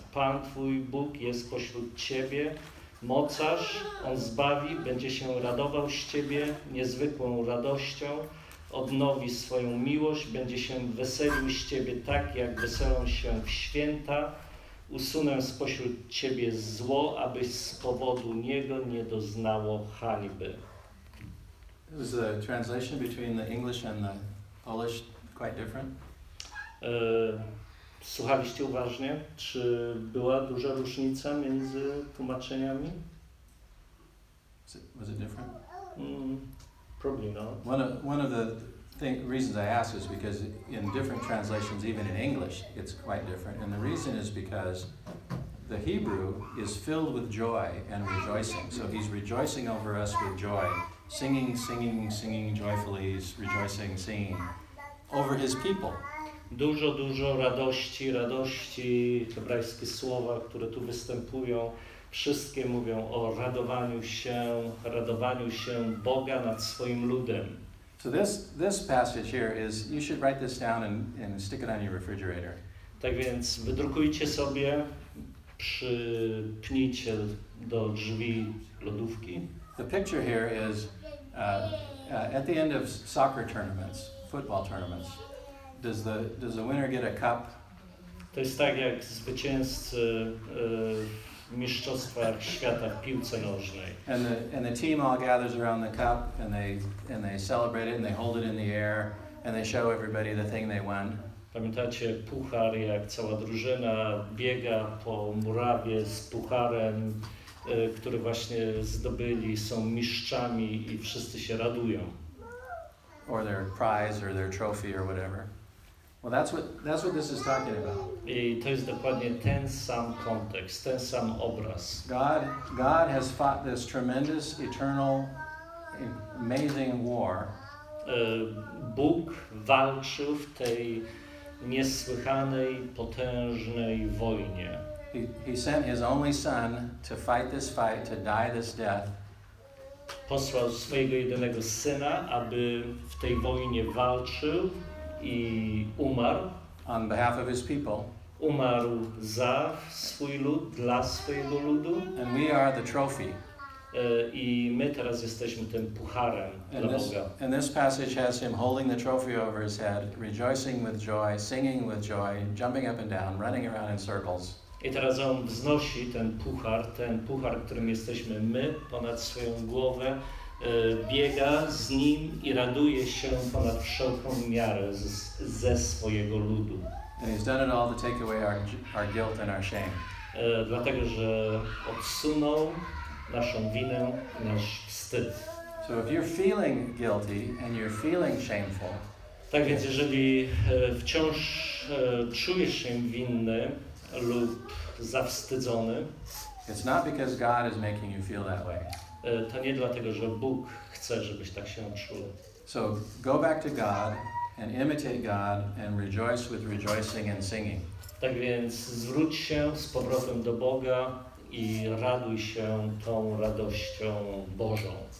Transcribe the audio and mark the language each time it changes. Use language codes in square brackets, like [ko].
[pl] Pan, twój Bóg, jest pośród ciebie. Mocarz, on zbawi, będzie się radował z ciebie niezwykłą radością, odnowi swoją miłość, będzie się weselił z ciebie tak, jak weselą się w święta. Usunę spośród ciebie zło, abyś z powodu niego nie doznało hańby. [en] Is the translation between the English and the Polish quite different? [pl] Słuchaliście uważnie? Czy była duża różnica między tłumaczeniami? [en] Was it different? Probably not. One of the reasons I ask is because in different translations, even in English, it's quite different. And the reason is because the Hebrew is filled with joy and rejoicing. So he's rejoicing over us with joy, singing joyfully, rejoicing, singing over his people. [pl] Dużo radości, hebrajskie słowa, które tu występują, wszystkie mówią o radowaniu się Boga nad swoim ludem. [en] So this passage here is, you should write this down and stick it on your refrigerator. [pl] Tak więc wydrukujcie sobie, przypnijcie do drzwi lodówki. [en] The picture here is at the end of soccer tournaments, football tournaments. Does the winner get a cup? [pl] To jest tak jak zwycięzcy mistrzostwach świata w piłce nożnej. [en] And the team all gathers around the cup and they celebrate it and they hold it in the air and they show everybody the thing they won. [pl] Pamiętacie puchar, jak cała drużyna biega po murawie z pucharem, który właśnie zdobyli, są mistrzami i wszyscy się radują. [en] Or their prize or their trophy or whatever. Well, that's what this is talking about. [pl] I to jest dokładnie ten sam kontekst, ten sam obraz. [en] God has fought this tremendous, eternal, amazing war. [pl] Bóg walczył w tej niesłychanej, potężnej wojnie. [en] He sent his only son to fight this fight, to die this death. [pl] Posłał swojego jedynego syna, aby w tej wojnie walczył i umarł. [en] On behalf of his people. [pl] Umarł za swój lud, dla swojego ludu. [en] And we are the trophy. [pl] I my teraz jesteśmy tym pucharem dla Boga. [en] And this passage has him holding the trophy over his head, rejoicing with joy, singing with joy, jumping up and down, running around in circles. [pl] I teraz on wznosi ten puchar, którym jesteśmy my, ponad swoją głowę, biega z nim i raduje się ponad wszelką miarę ze swojego ludu. [en] And he's done it all to take away our guilt and our shame. [pl] Dlatego, że odsunął naszą winę i nasz wstyd. [en] So if you're feeling guilty and you're feeling shameful, [pl] tak więc jeżeli wciąż czujesz się winny lub zawstydzony, [en] it's not because God is making you feel that way. [pl] To nie dlatego, że Bóg chce, żebyś tak się czuł. [en] So go back to God and imitate God and rejoice with rejoicing and singing. [pl] Tak więc zwróć się z powrotem do Boga i raduj się tą radością Bożą.